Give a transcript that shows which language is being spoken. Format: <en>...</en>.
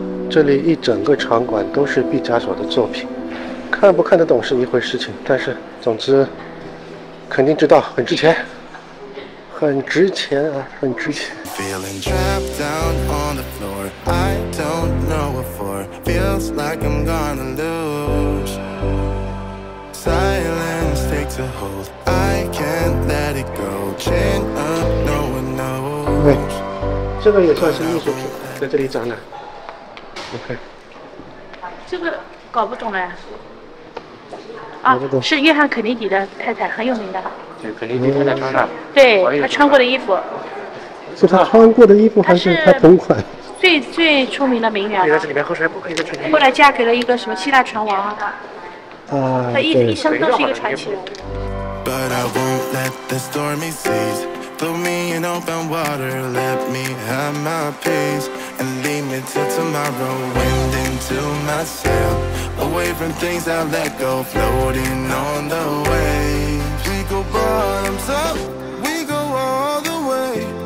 <zh>这里一整个场馆都是毕加索的作品，看不看得懂是一回事情，但是总之肯定知道很值钱，很值钱啊，很值钱。</zh> <en>Feeling trapped down on the floor, I don't know what for, feels like I'm gonna lose. Silence takes a hold, I can't let it go, chain up, no one knows.</en> <zh>哎，这个也算是艺术品，在这里展览。</zh> <en>OK。</en> <zh>这个搞不懂了。啊，是约翰肯尼迪的太太，很有名的。对，肯尼迪太太穿的，对，他穿过的衣服，是他穿过的衣服还是他同款？最最出名的名媛。这里面后来不可以再穿。后来嫁给了一个什么希腊船王啊？啊，他一生都是一个传奇人。</zh> <en>But I won't let the stormy seas throw me in open water. Let me have my peace and leave me till tomorrow. Wind into my sail, away from things I let go. Floating on the waves, we go bottoms up, we go all the way.</en>